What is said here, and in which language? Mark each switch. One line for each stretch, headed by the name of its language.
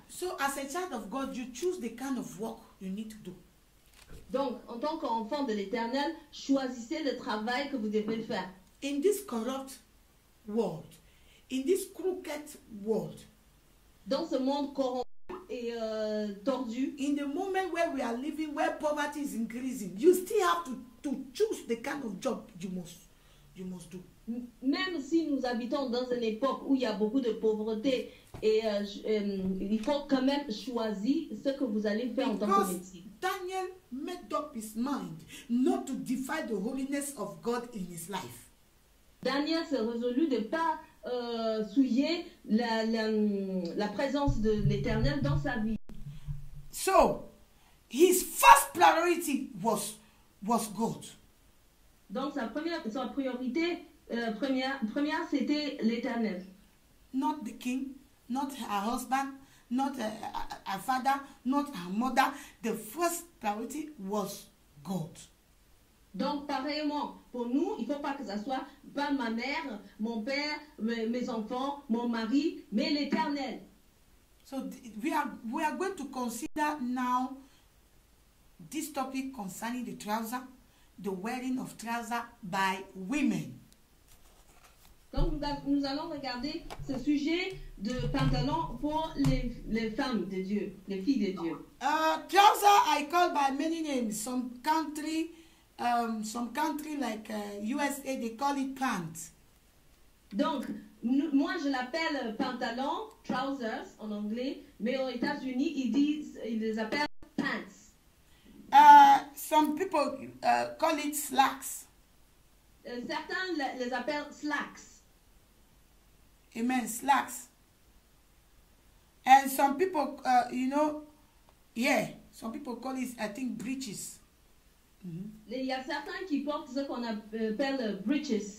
English: So, as a child of God, you choose the kind of work you need to do.
French: Donc, en tant qu'enfant de l'Éternel, choisissez le travail que vous devez faire.
English: In this corrupt world, in this crooked world,
French: dans ce monde corrompu, et tordu.
English: In the moment where we are living, where poverty is increasing, you still have to choose the kind of job you must do.
French: Même si nous habitons dans une époque où il y a beaucoup de pauvreté, et il faut quand même choisir ce que vous allez faire en tant que métier.
English: Daniel made up his mind not to defy the holiness of God in his life.
French: Daniel s'est résolu de pas souiller la présence de l'Éternel dans sa vie.
English: So, his first priority was God.
French: Donc sa priorité première c'était l'Éternel.
English: Not the king, not her husband, not her father, not her mother. The first priority was God.
French: Donc, pareillement, pour nous, il ne faut pas que ça soit pas ma mère, mon père, mes enfants, mon mari, mais l'Éternel.
English: So, we are going to consider now this topic concerning the trouser, the wearing of trouser by women.
French: Donc, nous allons regarder ce sujet de pantalon pour les femmes de Dieu, les filles de Dieu.
English: Trouser, I call by many names, some country. Some country like USA, they call it pants.
French: Donc, moi je l'appelle pantalon, trousers en anglais, mais aux États-Unis ils les appellent pants.
English: Some people call it slacks.
French: Certains les appellent slacks.
English: Amen, slacks. And some people, you know, yeah, some people call it, I think, breeches. Mm-hmm.
French: Il y a certains qui portent ce qu'on appelle breeches.